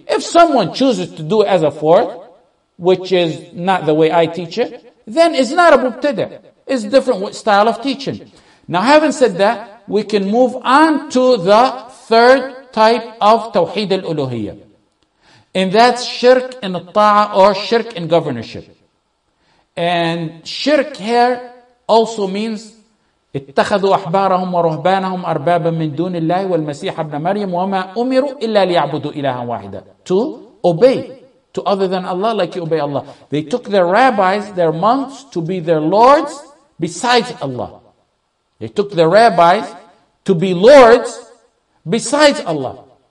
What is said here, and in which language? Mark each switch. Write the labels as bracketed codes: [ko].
[en] If someone chooses to do it as a 4th, which is not the way I teach it, then it's not a mubtada. It's different style of teaching. Now, having said that, we can move on to the 3rd type of Tawheed al-Uluhiyyah. And that's shirk in ta'ah or shirk in governorship. And shirk here also means [ar] اتخذوا أحبارهم ورهبانهم أربابا من دون الله والمسيح ابن مريم وما أمروا إلا ليعبدوا إلها واحدة. [en] To obey to other than Allah like you obey Allah. They took their rabbis, their monks, to be their lords besides Allah. They took their rabbis to be lords besides Allah.